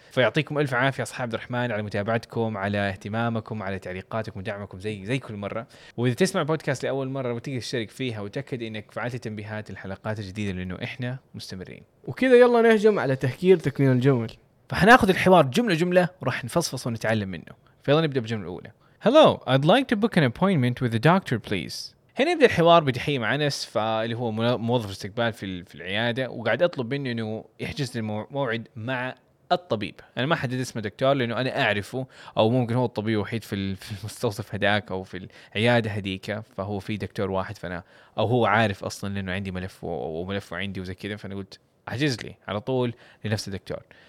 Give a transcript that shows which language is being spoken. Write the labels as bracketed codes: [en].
[ar] فيعطيكم ألف عافية أصحاب عبد الرحمن على متابعتكم على اهتمامكم على تعليقاتكم ودعمكم زي كل مرة. وإذا تسمع بودكاست لأول مرة وتقدر تشترك فيها وتأكد إنك فعلت تنبيهات الحلقات الجديدة لأنه إحنا مستمرين. وكذا يلا نهجم على تهكير تكوين الجمل. فهناخذ الحوار جملة جملة وراح نفصفص ونتعلم منه. فيلا نبدأ بجملة الأولى. [en] Hello, I'd like to book an appointment with the doctor, please. [ar] هنا يبدأ الحوار بتحية مع أنس فاللي هو موظف استقبال في العيادة وقاعد أطلب منه إنه يحجز الموعد مع الطبيب. أنا ما حدد اسمه دكتور لأنه أنا أعرفه أو ممكن هو الطبيب الوحيد في المستوصف هداك أو في العيادة هديك فهو في دكتور واحد فأنا أو هو عارف أصلاً لأنه عندي ملف وملفه عندي وزي كده فأنا قلت أحجز لي على طول لنفس الدكتور.